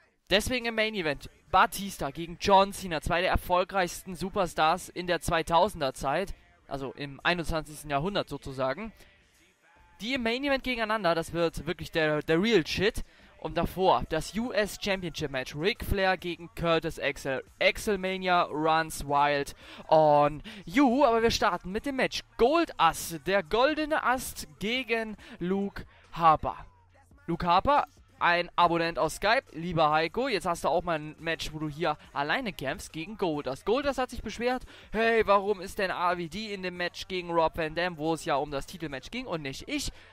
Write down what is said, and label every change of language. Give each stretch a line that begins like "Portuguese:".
German: Deswegen im Main Event Batista gegen John Cena, zwei der erfolgreichsten Superstars in der 2000er Zeit, also im 21. Jahrhundert sozusagen. Die im Main Event gegeneinander, das wird wirklich der
English: Real Shit.
German: Und davor das US Championship Match. Ric Flair gegen Curtis Axel.
English: Axelmania runs wild on you.
German: Aber wir starten mit dem Match. Gold Ass, der goldene Ast gegen Luke Harper. Luke Harper, ein Abonnent aus Skype. Lieber Heiko, jetzt hast du auch mal ein Match, wo du hier alleine kämpfst gegen Goldust. Goldust hat sich beschwert. Hey, warum ist denn RVD in dem Match gegen Rob Van Dam, wo es ja um das Titelmatch ging und nicht ich?